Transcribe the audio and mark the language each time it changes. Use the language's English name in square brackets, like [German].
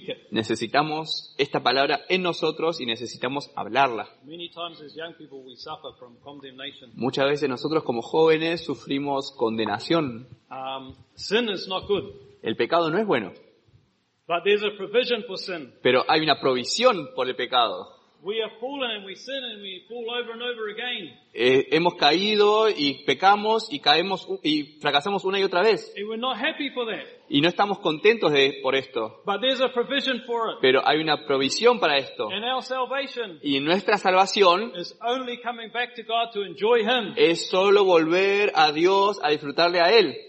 [Spanish] Necesitamos esta palabra en nosotros y necesitamos hablarla. [English] Many times as young people we suffer from condemnation. [Spanish] Muchas veces nosotros como jóvenes sufrimos condenación. [English] Sin is not good. [Spanish] El pecado no es bueno. [English] But there's a provision for sin. [Spanish] Pero hay una provisión por el pecado. [English] We have fallen and we sin and we fall over and over again. [Spanish] Hemos caído y pecamos y caemos y fracasamos una y otra vez. [English] And we're not happy for that. [Spanish] Y no estamos contentos por esto. [English] But there's a provision for it. [Spanish] Pero hay una provisión para esto. [English] And our salvation. [Spanish] Y nuestra salvación [English] is only coming back to God to enjoy Him. [Spanish] Es solo volver a Dios a disfrutarle a Él.